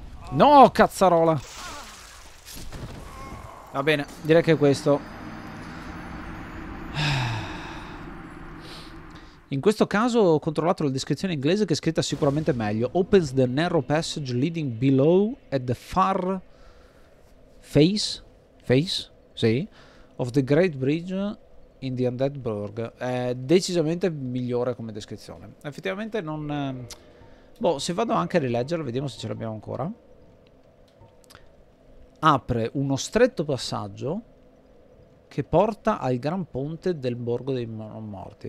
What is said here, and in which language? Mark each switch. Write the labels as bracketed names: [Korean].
[Italian] No, cazzarola. Va bene, direi che è questo. In questo caso ho controllato la descrizione inglese, che è scritta sicuramente meglio. [English] Opens the narrow passage leading below at the far face? Sì. Of the great bridge in the undead burg. [Italian] È decisamente migliore come descrizione. Effettivamente non... Boh, se vado anche a rileggerlo, vediamo se ce l'abbiamo ancora. Apre uno stretto passaggio che porta al gran ponte del borgo dei non morti.